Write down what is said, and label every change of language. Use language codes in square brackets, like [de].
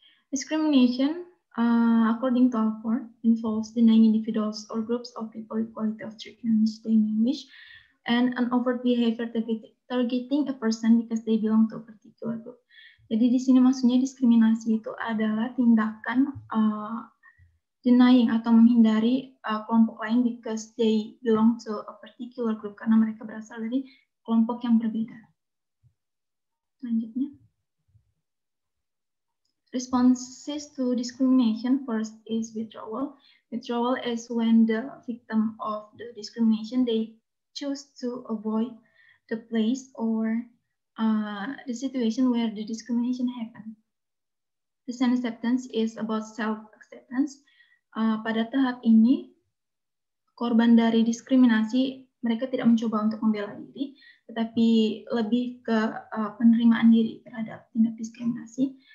[en] Discrimination, according to Alport, involves denying individuals or groups of people equality of treatment they may wish, and an overt behavior targeting a person because they belong to a particular group. [id] Jadi di sini maksudnya diskriminasi itu adalah tindakan denying atau menghindari kelompok lain [en] because they belong to a particular group, [id] karena mereka berasal dari kelompok yang berbeda. Selanjutnya. [en] Responses to discrimination. First is withdrawal. Withdrawal is when the victim of the discrimination, they choose to avoid the place or the situation where the discrimination happened. The self-acceptance is about self-acceptance. [id] Pada tahap ini, korban dari diskriminasi, mereka tidak mencoba untuk membela diri, tetapi lebih ke penerimaan diri terhadap tindak diskriminasi.